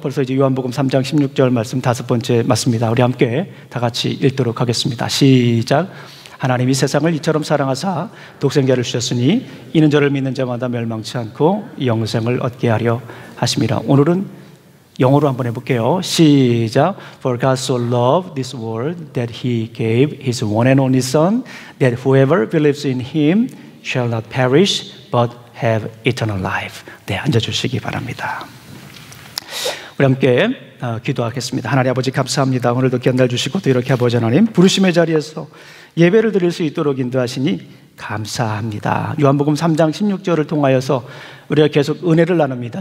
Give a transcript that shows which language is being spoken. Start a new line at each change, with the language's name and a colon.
Korean: 벌써 이제 요한복음 3장 16절 말씀 다섯 번째 맞습니다. 우리 함께 다 같이 읽도록 하겠습니다. 시작. 하나님이 세상을 이처럼 사랑하사 독생자를 주셨으니 이는 저를 믿는 자마다 멸망치 않고 영생을 얻게 하려 하심이라. 오늘은 영어로 한번 해볼게요. 시작.
English: For God so loved this world that he gave his one and only son that whoever believes in him shall not perish but have eternal life.
Korean: 네, 앉아주시기 바랍니다. 우리 함께 기도하겠습니다. 하나님 아버지 감사합니다. 오늘도 견달 주시고 또 이렇게 아버지 하나님 부르심의 자리에서 예배를 드릴 수 있도록 인도하시니 감사합니다. 요한복음 3장 16절을 통하여서 우리가 계속 은혜를 나눕니다.